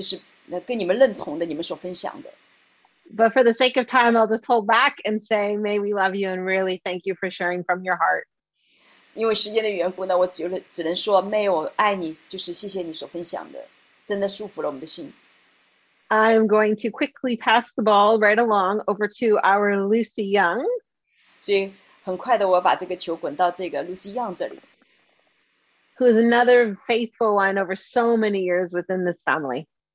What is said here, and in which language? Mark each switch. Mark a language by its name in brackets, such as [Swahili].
[Chinese] 因为时间的缘故，其实我有很多的想要鼓励，要来，就是跟你们认同的，你们所分享的。 [English] But for the sake of time, I'll just hold back and say, may we love you and really thank you for sharing from your heart. [Chinese] 因为时间的缘故呢，我只能说 May 我爱你，就是谢谢你所分享的，真的祝福了我们的心。 [English] I'm going to quickly pass the ball right along over to our Lucy Young. [Chinese] 所以很快的，我把这个球滚到这个Lucy Young这里。 [English] Who is another faithful one over so many years within this family.